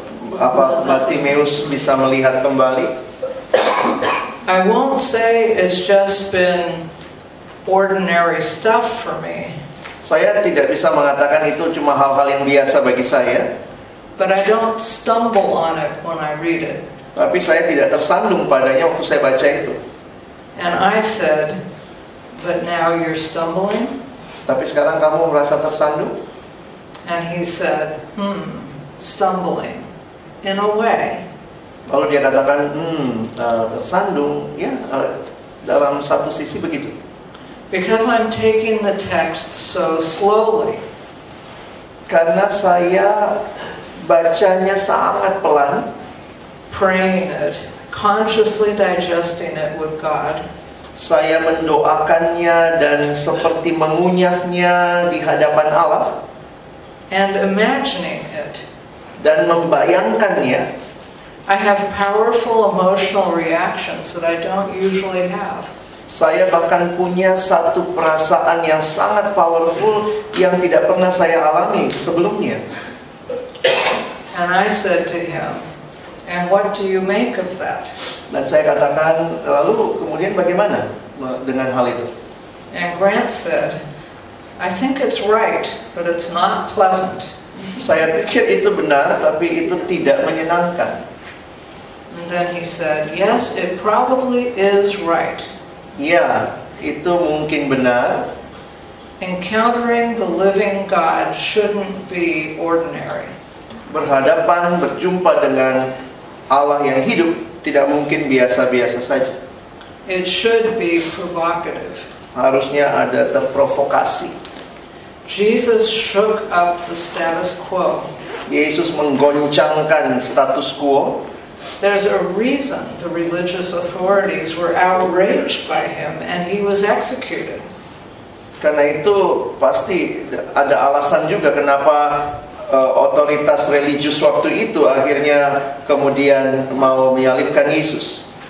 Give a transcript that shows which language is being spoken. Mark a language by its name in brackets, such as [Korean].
[Indonesian] Apa Bartimeus bisa melihat kembali? [English] I won't say it's just been ordinary stuff for me. [Indonesian] Saya tidak bisa mengatakan itu cuma hal-hal yang biasa bagi saya. [English] But I don't stumble on it when I read it. [Indonesian] Tapi saya tidak tersandung padanya waktu saya baca itu. [English] And I said, but now you're stumbling? [Indonesian] Tapi sekarang kamu merasa tersandung? [English] And he said, stumbling. In a way. [Indonesian] Lalu dia katakan, tersandung, ya, dalam satu sisi begitu. [English] Because I'm taking the text so slowly. [Indonesian] Karena saya bacanya sangat pelan. [English] Praying it, consciously digesting it with God. [Indonesian] Saya mendoakannya dan seperti mengunyahnya di hadapan Allah. [English] And imagining it. [Indonesian] Dan membayangkannya. [English] I have powerful emotional reactions that I don't usually have. [Indonesian] Saya bahkan punya satu perasaan yang sangat powerful yang tidak pernah saya alami sebelumnya. [English] And I said to him, And what do you make of that? [Indonesian] Dan saya katakan, lalu kemudian bagaimana dengan hal itu? [English] And Grant said, I think it's right, but it's not pleasant. [Indonesian] Saya pikir itu benar, tapi itu tidak menyenangkan. [English] And then he said, yes, it probably is right. [Indonesian] Ya, itu mungkin benar. [English] Encountering the living God shouldn't be ordinary. [Indonesian] Berhadapan, berjumpa dengan Allah yang hidup tidak mungkin biasa-biasa saja. [English] It should be provocative. [Indonesian] Harusnya ada terprovokasi. [English] Jesus shook up the status quo. [Indonesian] Yesus menggoncangkan status quo. [English] There's a reason the religious authorities were outraged by him and he was executed. [Indonesian] Karena itu pasti ada alasan juga kenapa otoritas religius waktu itu akhirnya kemudian mau menyalibkan Yesus.